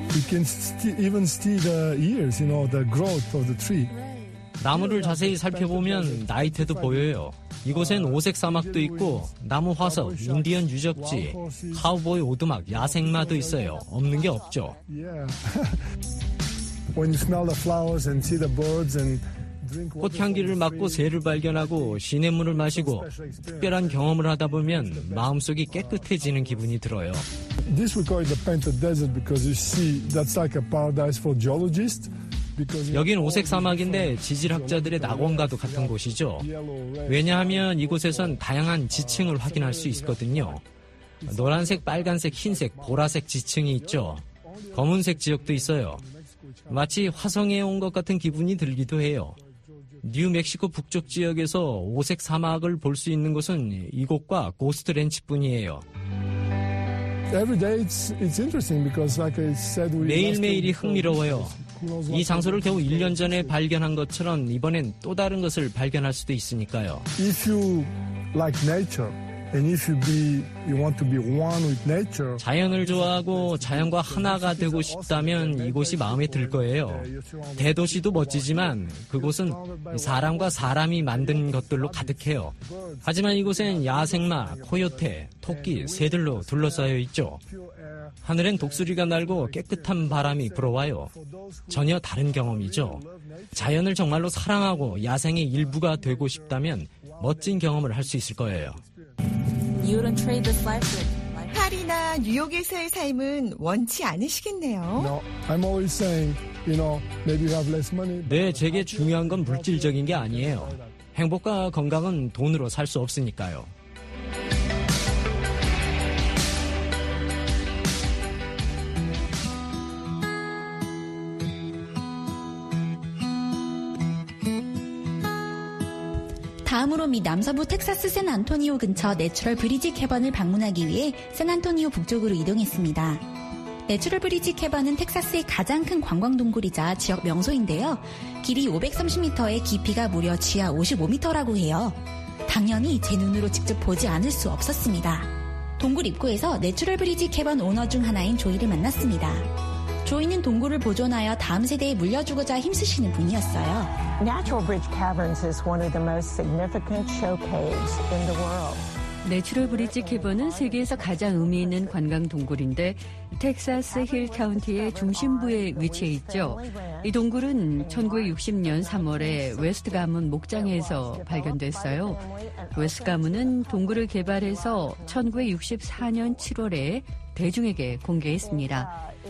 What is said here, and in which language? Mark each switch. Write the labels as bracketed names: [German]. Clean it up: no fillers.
[English] You can even see the ears, you know, the growth of the tree. [Korean] 나무를 자세히 살펴보면 나이테도 보여요. 이곳엔 오색 사막도 있고 나무 화석, 인디언 유적지, 카우보이 오두막, 야생마도 있어요. 없는 게 없죠. [English] When you smell the flowers and see the birds and [Korean] 꽃향기를 맡고 새를 발견하고 시냇물을 마시고 특별한 경험을 하다 보면 마음속이 깨끗해지는 기분이 들어요. [English] This we call it the Painted Desert because you see that's like a paradise for geologists. [Korean] 여긴 오색 사막인데 지질학자들의 낙원과도 같은 곳이죠. 왜냐하면 이곳에선 다양한 지층을 확인할 수 있거든요. 노란색, 빨간색, 흰색, 보라색 지층이 있죠. 검은색 지역도 있어요. 마치 화성에 온 것 같은 기분이 들기도 해요. 뉴멕시코 북쪽 지역에서 오색 사막을 볼 수 있는 곳은 이곳과 고스트렌치뿐이에요. [English] Every day it's interesting because like I said we [Korean] 매일매일이 흥미로워요. 이 장소를 겨우 1년 전에 발견한 것처럼 이번엔 또 다른 것을 발견할 수도 있으니까요. [English] If you like nature and if you want to be one with nature [Korean] 자연을 좋아하고 자연과 하나가 되고 싶다면 이곳이 마음에 들 거예요. 대도시도 멋지지만 그곳은 사람과 사람이 만든 것들로 가득해요. 하지만 이곳엔 야생마, 코요테, 토끼, 새들로 둘러싸여 있죠. 하늘엔 독수리가 날고 깨끗한 바람이 불어와요. 전혀 다른 경험이죠. 자연을 정말로 사랑하고 야생의 일부가 되고 싶다면 멋진 경험을 할 수 있을 거예요. 파리나 뉴욕에서의 삶은 원치 않으시겠네요. [English] I'm always saying, you know, maybe you have less money. [Korean] 네, 제게 중요한 건 물질적인 게 아니에요. 행복과 건강은 돈으로 살 수 없으니까요. 다음으로 미 남서부 텍사스 샌안토니오 근처 내추럴 브리지 캐번을 방문하기 위해 샌안토니오 북쪽으로 이동했습니다. 내추럴 브리지 캐번은 텍사스의 가장 큰 관광 동굴이자 지역 명소인데요. 길이 530m에 깊이가 무려 지하 55m라고 해요. 당연히 제 눈으로 직접 보지 않을 수 없었습니다. 동굴 입구에서 내추럴 브리지 캐번 오너 중 하나인 조이를 만났습니다. 조이는 동굴을 보존하여 다음 세대에 물려주고자 힘쓰시는 분이었어요. [English] Natural Bridge Caverns is one of the most significant showcases in the world. [Korean] 내추럴 브릿지 캐번은 세계에서 가장 의미 있는 관광 동굴인데 텍사스 힐 카운티의 중심부에 위치해 있죠. 이 동굴은 1960년 3월에 웨스트 가문 목장에서 발견됐어요. 웨스트 가문은 동굴을 개발해서 1964년 7월에 대중에게 공개했습니다.